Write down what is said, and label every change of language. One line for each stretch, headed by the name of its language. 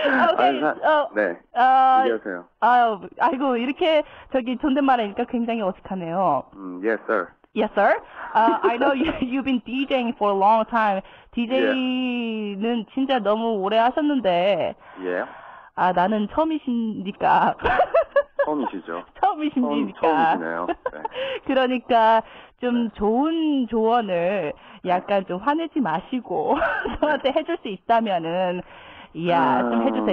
Korean: Okay, 아이고, 이렇게 저기 존댓말하니까 굉장히 어색하네요.
English: Yes, sir. Yes, sir. I know you've been DJing for a long time.
Korean: DJ는 yeah. 진짜 너무 오래 하셨는데. Yeah. 아, 나는 처음이시니까. 처음이시죠. 처음이시니까. 처음이시네요. 네. 그러니까 좀 네. 좋은 조언을 약간 좀 화내지 마시고 저한테 해줄 수 있다면은 좀 해주세요.